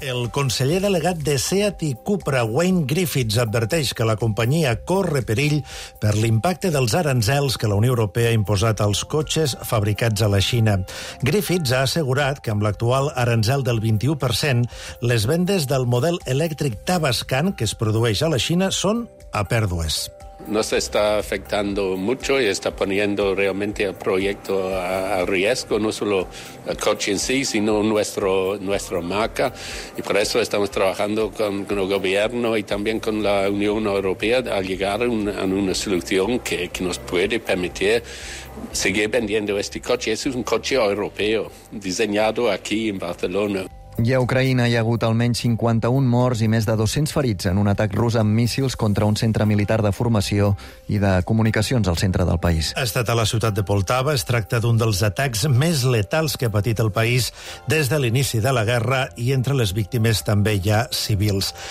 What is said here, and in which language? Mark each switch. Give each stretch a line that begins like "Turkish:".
Catalan: El conseller delegat de Seat i Cupra, Wayne Griffiths, adverteix que la companyia corre perill per l'impacte dels aranzels que la Unió Europea ha imposat als cotxes fabricats a la Xina. Griffiths ha assegurat que amb l'actual aranzel del 21%, les vendes del model elèctric Tavascan, que es produeix la Xina, són a pèrdues.
Spanish: No se está afectando mucho y está poniendo realmente el proyecto a riesgo, no solo el coche en sí, sino nuestro marca. Y por eso estamos trabajando con el gobierno y también con la Unión Europea a llegar a una solución que nos puede permitir seguir vendiendo este coche. Es un coche europeo, diseñado aquí en Barcelona.
Catalan: I a Ucraïna hi ha hagut almenys 51 morts i més de 200 ferits en un atac rus amb míssils contra un centre militar de formació i de comunicacions al centre del país. Ha estat a la ciutat de Poltava. Es tracta d'un dels atacs més letals que ha patit el país des de l'inici de la guerra, i entre les víctimes també hi ha civils.